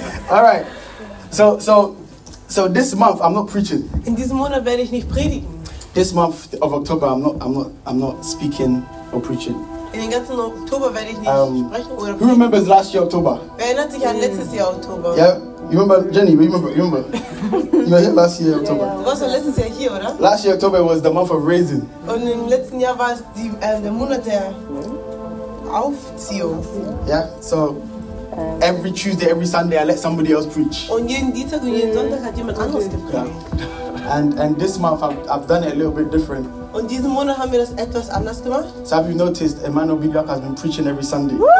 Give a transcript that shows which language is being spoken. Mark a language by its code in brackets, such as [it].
[en] All right, so this month I'm not preaching. [de] In diesem Monat werde ich nicht predigen. [en] This month of October I'm not speaking or preaching. [de] In den ganzen Oktober werde ich nicht sprechen oder predigen. [en] Who remembers last year October? [de] Wer erinnert sich an letztes Jahr Oktober? [en] Yeah, you remember Jenny? You remember? You were here last year October. [de] Du warst doch letztes Jahr hier, oder? [en] Last year October was the month of raising. [de] Und im letzten Jahr war es der Monat der Aufziehung. [en] Yeah, so. Every Tuesday, every Sunday, I let somebody else preach. And this month, I've done it a little bit different. [de] Und diesen Monat haben wir das etwas anders gemacht. [en] So have you noticed, Emmanuel Bidlock has been preaching every Sunday.